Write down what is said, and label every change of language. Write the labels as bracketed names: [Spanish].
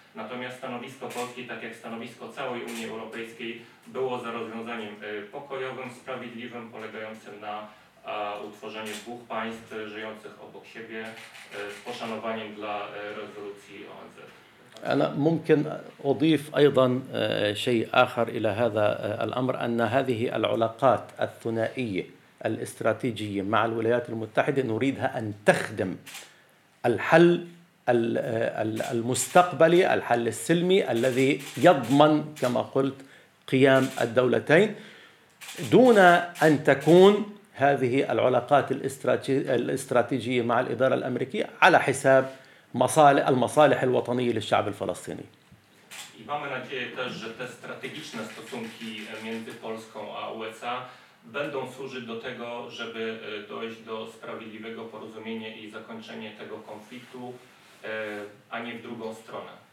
[Polish] Natomiast stanowisko Polski, tak jak stanowisko całej Unii Europejskiej, było za rozwiązaniem pokojowym, sprawiedliwym, polegającym na utworzeniu dwóch państw żyjących obok siebie z poszanowaniem dla rezolucji ONZ. [Arabic] أنا ممكن أضيف أيضا شيء آخر إلى هذا الأمر، أن هذه العلاقات الثنائية الاستراتيجية مع الولايات المتحدة نريدها أن تخدم الحل المستقبلي، الحل السلمي الذي يضمن كما قلت قيام الدولتين، دون أن تكون هذه العلاقات الاستراتيجية مع الإدارة الأمريكية على حساب المصالح الوطنية للشعب الفلسطيني. [Polish] I mamy nadzieję też, że te strategiczne stosunki między Polską a USA będą służyć do tego, żeby dojść do sprawiedliwego porozumienia i zakończenia tego konfliktu, a nie w drugą stronę.